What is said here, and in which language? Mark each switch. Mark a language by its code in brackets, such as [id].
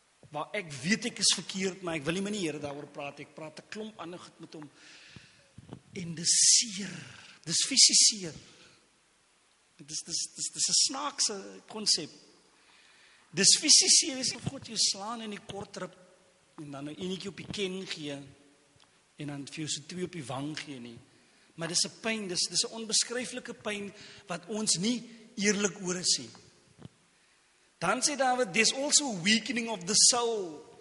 [af] Maar ek weet ek is verkeerd, maar ek wil nie met die Here daaroor praat. Ek praat 'n klomp ander goed met hom. En dis seer. Dis fisies seer. Dis 'n snaakse konsep. Dis fisies seer is of God jou slaan in die kort rib en dan nou enetjie op die ken gee en dan vir jou so twee op die wang gee nie. Maar dis 'n pyn, dis 'n onbeskryflike pyn wat ons nie eerlik oor is nie. Dan sê David, [en] there's also a weakening of the soul.